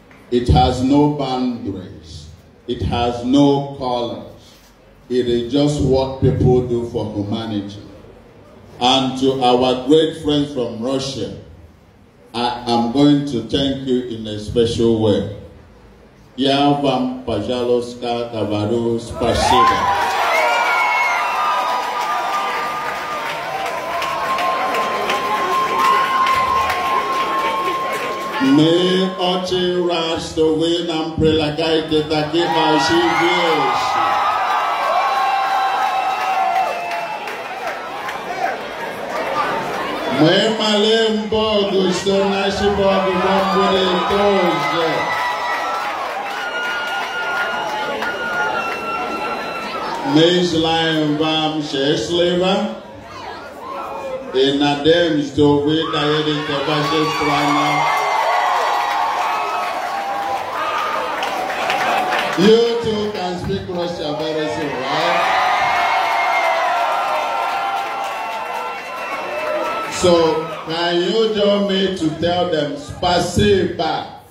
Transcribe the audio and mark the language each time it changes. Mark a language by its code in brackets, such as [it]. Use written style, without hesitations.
[en] It has no boundaries. It has no colors. It is just what people do for humanity. And to our great friends from Russia, I am going to thank you in a special way. [ru] Я вам, пожалуйста, говорю спасибо. Мы очень рады, что вы нам прилагаете такие большие вещи. Мы молим Богу, что наш Бог вам будет тоже. Мы желаем вам счастлива и надеем, что вы доедете в вашу страну. [en] You too can speak Russian very soon, right? So, can you join me to tell them spasiba?